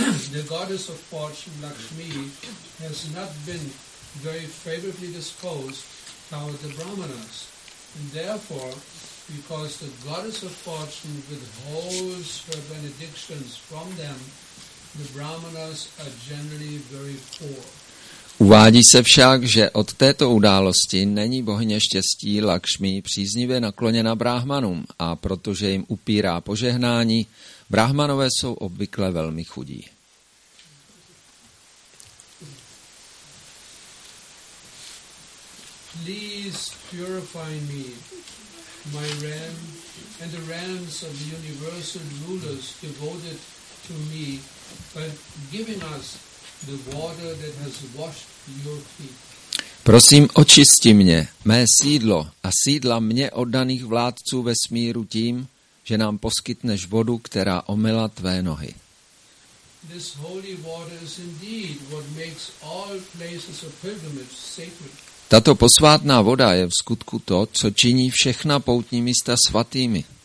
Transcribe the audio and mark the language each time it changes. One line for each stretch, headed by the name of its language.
English: The goddess of fortune, Lakshmi, has not been very favorably disposed toward the brahmanas. And therefore, because the goddess of fortune withholds her benedictions from them, the brahmanas are generally very poor.
Czech: Uvádí se však, že od této události není bohyně štěstí Lakshmi příznivě nakloněna brahmanům, a protože jim upírá požehnání, brahmanové jsou obvykle velmi chudí.
English: Please purify me, my ram, and the rams of the universal rulers devoted to me, by giving us the water that has washed your feet.
Czech: Prosím, očisti mě, mé sídlo a sídla mě oddaných vládců vesmíru tím, že nám poskytneš vodu, která omyla tvé nohy.
English: This holy water is indeed what makes all places of pilgrimage sacred.
Czech: Tato posvátná voda je v skutku to, co činí všechna poutní místa svatými.